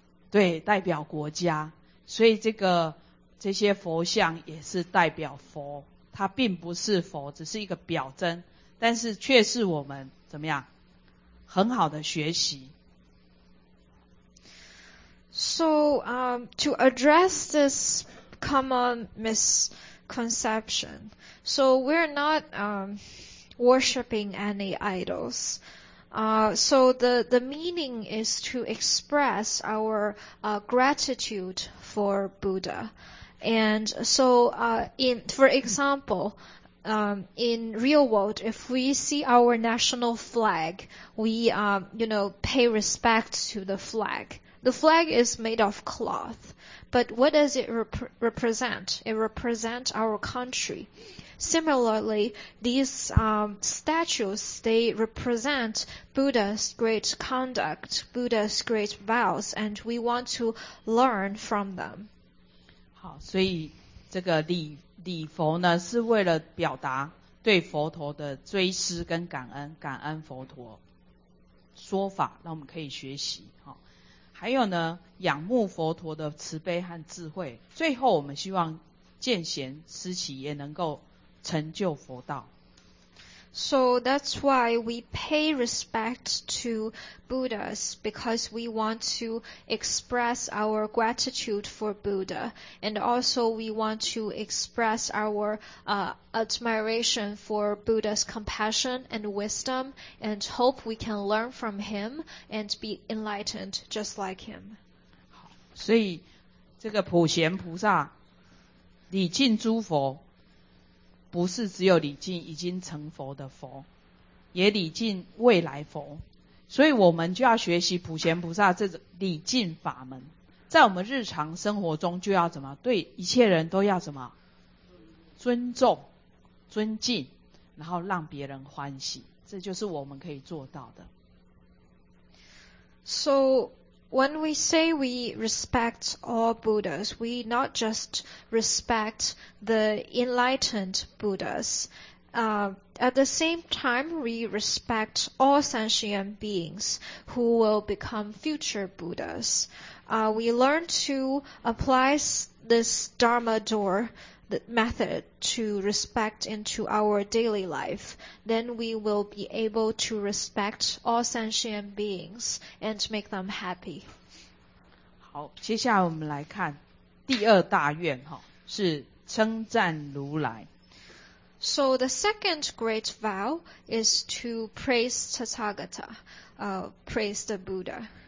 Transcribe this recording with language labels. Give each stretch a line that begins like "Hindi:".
Chinese: 对，代表国家，所以这些佛像也是代表佛，它并不是佛，只是一个表征，但是却是我们怎么样很好的学习。
English: So, to address this common misconception, so we're not, worshipping any idols. So the meaning is to express our gratitude for Buddha. And so in real world, if we see our national flag, we pay respect to the flag. The flag is made of cloth, but what does it represent? It represents our country. Similarly, these statues, they represent Buddha's great conduct, Buddha's great vows, and we want to learn from them.
Chinese: 好，所以这个礼佛呢，是为了表达对佛陀的追思跟感恩，感恩佛陀说法，让我们可以学习。好，还有呢，仰慕佛陀的慈悲和智慧，最后我们希望见贤思齐也能够成就佛道。
English: So that's why we pay respect to Buddhas because we want to express our gratitude for Buddha and also we want to express our admiration for Buddha's compassion and wisdom and hope we can learn from him and be enlightened just like him.
Chinese: 所以这个普贤菩萨礼敬诸佛不是只有礼敬已经成佛的佛，也礼敬未来佛，所以我们就要学习普贤菩萨这种礼敬法门，在我们日常生活中就要怎么对一切人都要怎么尊重尊敬，然后让别人欢喜，这就是我们可以做到的。
English: SoWhen we say we respect all Buddhas, we not just respect the enlightened Buddhas. At the same time, we respect all sentient beings who will become future Buddhas. We learn to apply this Dharma door method to respect into our daily life. Then we will be able to respect all sentient beings and make them happy.
Chinese: 好，接下来我们来看第二大愿，是称赞如来。
English: So the second great vow is to praise Tathagata, praise the Buddha.